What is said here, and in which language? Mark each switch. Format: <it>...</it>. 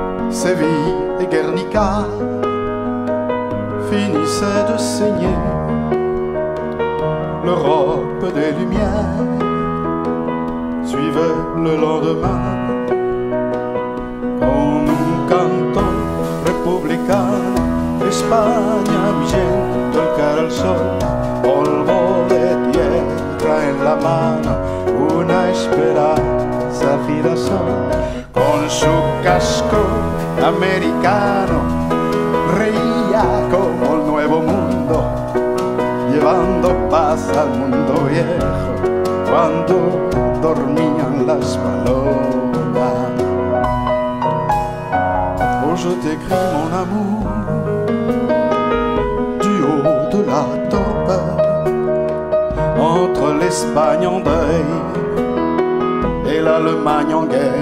<fr>Séville et Guernica finissaient de saigner. L'Europe des Lumières suivait le lendemain.</fr> <es>Con un canto republicano, España viendo el cara al sol, polvo de tierra en la mano, una esperanza girasol. Con su casco americano, reía como el nuevo mundo, llevando paz al mundo viejo, cuando dormían las palomas.</es> <fr>Oh, je t'écris mon amour, du haut de la torpeur, entre l'Espagne en deuil et l'Allemagne en guerre.</fr>